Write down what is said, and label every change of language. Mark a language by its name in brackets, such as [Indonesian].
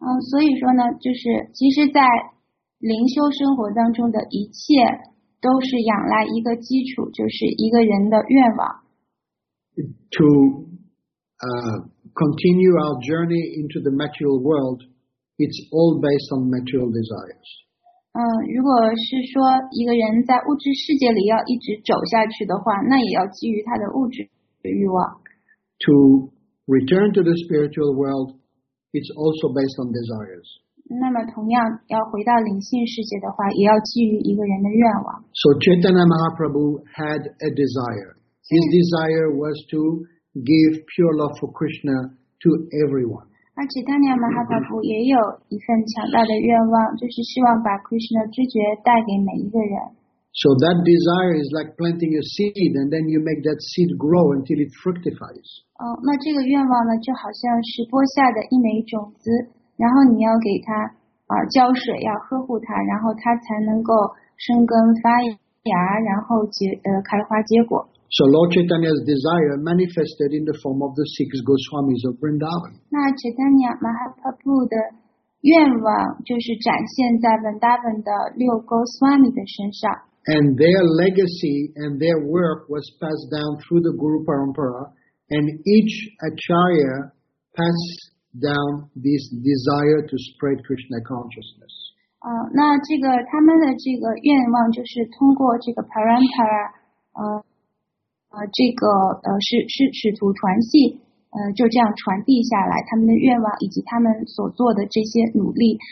[Chinese] 所以说呢，就是其实，在灵修生活当中的一切，都是仰赖一个基础，就是一个人的愿望。 [English] to continue our journey into the material world, it's all based on material desires. [Chinese] 如果是说一个人在物质世界里要一直走下去的话，那也要基于他的物质欲望。 [English] To return to the spiritual world, it's also based on desires. [Chinese] 那么同样要回到灵性世界的话，也要基于一个人的愿望。 [English] So Chaitanya Mahaprabhu had a desire. His desire was to give pure love for Krishna to everyone. [Chinese] 而且当年马哈巴布也有一份强大的愿望，就是希望把 Krishna 知觉带给每一个人。 [English] So that desire is like planting a seed, and then you make that seed grow until it fructifies. [Chinese] 那这个愿望呢，就好像是播下的一枚种子，然后你要给它浇水，要呵护它，然后它才能够生根发芽，然后开花结果。 [English] So Lord Chaitanya's desire manifested in the form of the six Goswamis of Vrindavan. [Chinese] 那 Chaitanya Mahaprabhu 的愿望就是展现在 Vrindavan 的六 Goswami 的身上。 [English] And their legacy and their work was passed down through the Guru Parampara, and each Acharya passed down this desire to spread Krishna consciousness. [Chinese] 那这个他们的这个愿望就是通过这个 Parampara, 使徒团系就这样传递下来他们的愿望以及他们所做的这些努力。